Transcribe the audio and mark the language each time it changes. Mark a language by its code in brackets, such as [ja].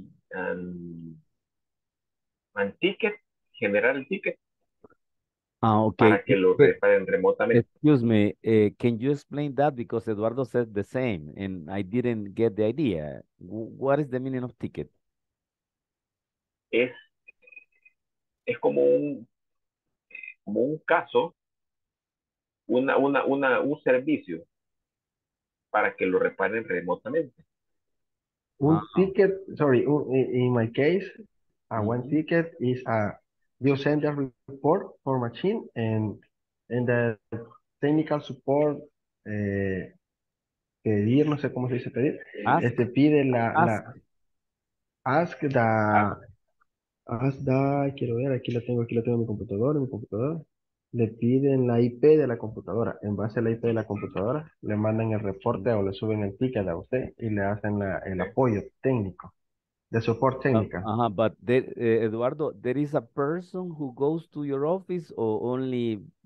[en] And ticket, general ticket. Ah, okay. [es] Para que lo reparen remotamente. [en] Excuse me. Can you explain that? Because Eduardo said the same, and I didn't get the idea. What is the meaning of ticket? [es] Es como un caso, un servicio para que lo reparen remotamente. [en] Un ticket, sorry, in my case, one ticket is a you send a report for machine and the technical support, pedir, [es] no sé cómo se dice pedir, [en] ask. [es] Pide la [en] ask the, ask the, [es] quiero ver, aquí lo tengo en mi computadora, le piden la IP de la computadora. En base a la IP de la computadora, le mandan el reporte o le suben el ticket a usted y le hacen el apoyo técnico, de soporte técnico. [en] But Eduardo, there is a person who goes to your office or only...